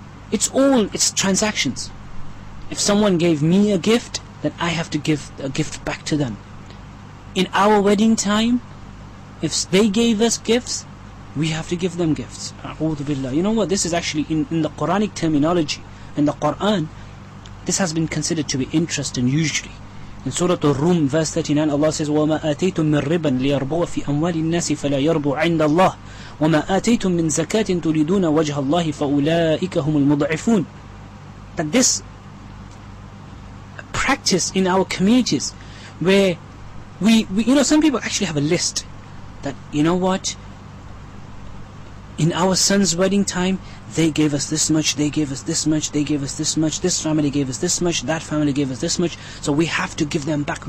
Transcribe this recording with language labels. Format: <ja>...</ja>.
<en>It's transactions. If someone gave me a gift, then I have to give a gift back to them. In our wedding time, if they gave us gifts, we have to give them gifts. A'udhu billah. You know what? This is actually in the Quranic terminology, in the Quran, this has been considered to be interest and usury. In Surah Ar-Rum, verse 39, Allah says,</en> <ar>وَمَا آتَيْتُم مِّن رِبًا لِيَرْبُوَ فِي أَمْوَالِ النَّاسِ فَلَا يَرْبُوْ عِنْدَ اللَّهِ وَمَا آتَيْتُم مِّن زَكَاةٍ تُرِيدُونَ وَجْهَ اللَّهِ فَأُولَٰئِكَ هُمُ الْمُضْعِفُونَ.</ar> <en>That this practice in our communities where we, you know, some people actually have a list that, you know what, in our son's wedding time, they gave us this much, they gave us this much, they gave us this much, this family gave us this much, that family gave us this much, so we have to give them back.</en>